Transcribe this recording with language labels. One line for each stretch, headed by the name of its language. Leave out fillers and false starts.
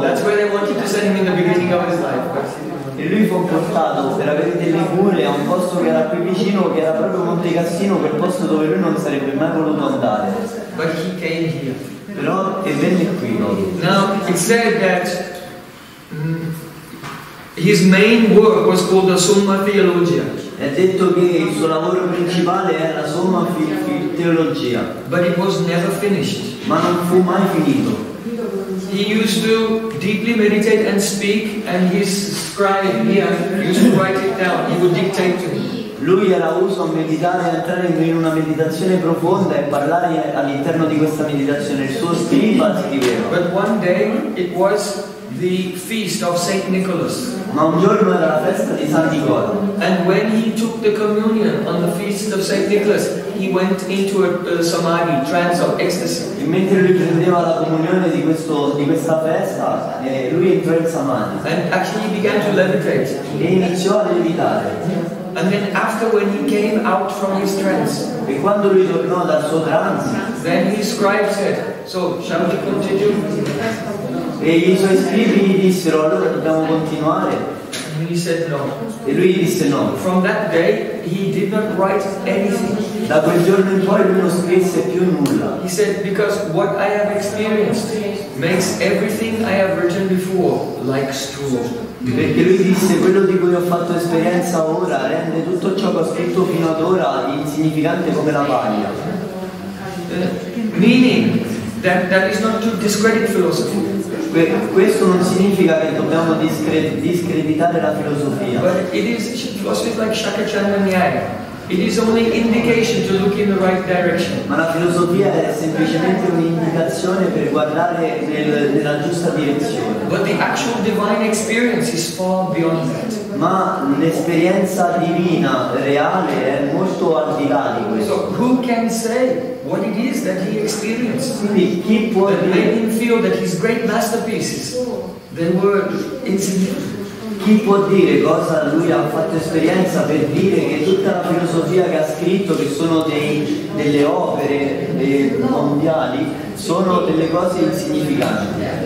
English: That's where they wanted to send him in the beginning of his life.
Italian: E lui fu portato per avere delle cure a un posto che era qui vicino, che era proprio Monte Cassino, quel posto dove lui non sarebbe mai voluto andare.
English: But he came here.
Italian: Però e venne qui. No?
English: Now it said that his main work was called the Summa Theologia.
Italian: È detto che il suo lavoro principale era la Summa Theologia.
English: But it was never finished.
Italian: Ma non fu mai finito.
English: He used to deeply meditate and speak, and his scribe here used to write it down. He would dictate to him.
Italian: Lui era uso a meditare, a entrare in una meditazione profonda e parlare all'interno di questa meditazione. Il suo scriba scriveva.
English: But one day it was the feast of Saint Nicholas.
Italian: Ma un giorno era la festa di San Nicola.
English: And when he took the communion on the feast of Saint Nicholas, he went into a samadhi, trance of ecstasy.
Italian: E mentre lui prendeva la comunione di questo di questa festa, lui entrò in samadhi.
English: And actually began to levitate.
Italian: E iniziò a levitare.
English: And then after, when he came out from his trance,
Italian: e quando lui tornò dal suo trance,
English: then his scribe said, so shall we continue?
Italian: E i suoi scrivi gli dissero, allora dobbiamo continuare.
English: And he said no.
Italian: E lui disse no.
English: From that day he did not write anything.
Italian: Da quel giorno in poi lui non scrisse più nulla.
English: He said, because what I have experienced makes everything I have written before like straw.
Italian: Perché lui disse, quello di cui ho fatto esperienza ora rende tutto ciò che ho scritto fino ad ora insignificante come la paglia.
English: Meaning that is not to discredit philosophy.
Italian: Questo non significa che dobbiamo discreditare la filosofia.
English: But it is like Shaka Chandanyaya. It is only indication to look in the right direction.
Italian: Ma la filosofia è semplicemente un'indicazione per guardare nella giusta direzione.
English: But the actual divine experience is far beyond that.
Italian: Ma l'esperienza divina reale è molto al di là di questo.
English: So who can say what it is that he experienced?
Italian: Quindi chi può dire?
English: That made him feel that his great masterpieces they were insignificant.
Italian: Chi può dire cosa lui ha fatto esperienza per dire che tutta la filosofia che ha scritto, che sono delle opere mondiali, sono delle cose insignificanti?